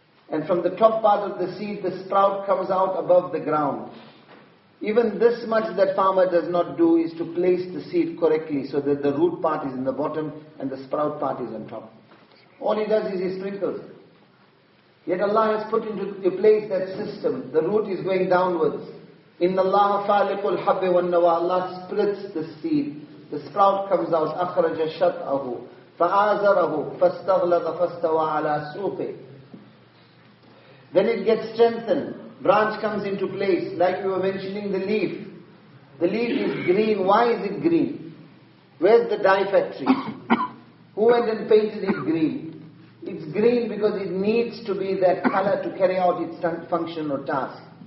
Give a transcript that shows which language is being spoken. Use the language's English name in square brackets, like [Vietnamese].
[English] And from the top part of the seed, the sprout comes out above the ground. Even this much that farmer does not do is to place the seed correctly so that the root part is in the bottom and the sprout part is on top. All he does is he sprinkles. Yet Allah has put into place that system. The root is going downwards. [Arabic] إِنَّ اللَّهَ فَالِقُ الْحَبِّ وَالنَّوَى [English] Allah splits the seed. The sprout comes out. [Arabic] أَخْرَجَ شَطْأَهُ فَآزَرَهُ فَاسْتَغْلَقَ فَاسْتَوَى عَلَى سُوْقِ [English] Then it gets strengthened. Branch comes into place. Like we were mentioning the leaf. The leaf is green. Why is it green? Where's the dye factory? Who went and painted it green? It's green because it needs to be that color to carry out its function or task.